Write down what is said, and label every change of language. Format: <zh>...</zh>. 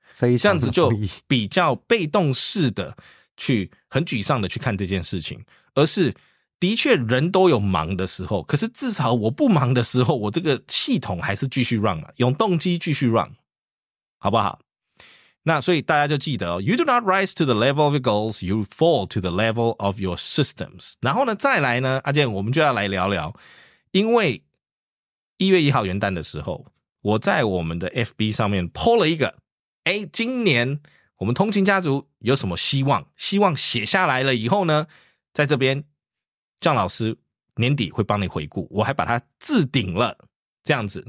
<zh>非常容易，这样子就比较被动式的去很沮丧的去看这件事情，而是的确人都有忙的时候，可是至少我不忙的时候，我这个系统还是继续 run， 有动机继续 run， 好不好？那所以大家就记得、</zh> <en>哦、You do not rise to the level of your goals, you fall to the level of your systems。</en> <zh>然后呢再来呢，阿健我们就要来聊聊，因为1月1号元旦的时候，我在我们的 FB 上面 po 了一个，诶，今年我们通勤家族有什么希望，希望写下来了以后呢，在这边姜老师年底会帮你回顾，我还把它置顶了这样子。</zh>